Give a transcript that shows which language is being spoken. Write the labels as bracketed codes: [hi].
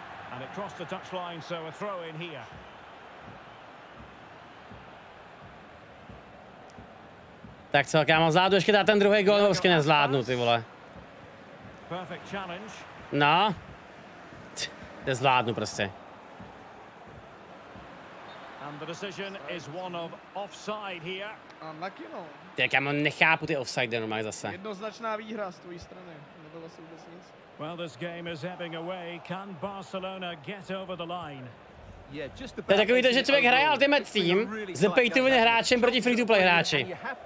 [en] And it crossed the touchline, so a throw in here. [cs] Tak co, kámo, zvládnu ještě dát ten druhý gol, nebo vždycky nezvládnu, ty vole. [en] Perfect challenge. No. [cs] Nezvládnu prostě. [en] And the decision is one of offside here. Unlucky, no. [cs] Ty, kámo, nechápu ty offside normálně zase. Jednoznačná výhra z tvojí strany. Nebylo se vůbec nic. [en] Well, this game is ebbing away. Can Barcelona get over the line? [cs] To je takový to, že člověk hraje ultimate team s pay-to-win hráčem proti free-to-play hráči.